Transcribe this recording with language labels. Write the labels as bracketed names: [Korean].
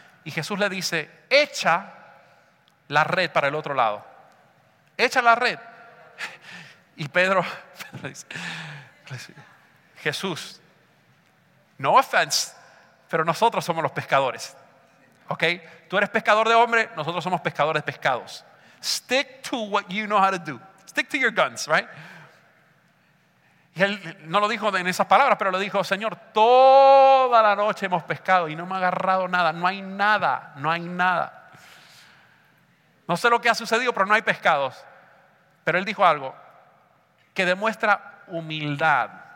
[Spanish] Y Jesús le dice: "Echa la red para el otro lado. Echa la red." Y Pedro dice, "Jesús, [English] no offense, [Spanish] pero nosotros somos los pescadores. ¿Ok? Tú eres pescador de hombre, nosotros somos pescadores de pescados. [English] Stick to what you know how to do. Stick to your guns, right?" [Spanish] Y él no lo dijo en esas palabras, pero le dijo: "Señor, toda la noche hemos pescado y no me ha agarrado nada, no hay nada. No sé lo que ha sucedido, pero no hay pescados." Pero él dijo algo que demuestra humildad.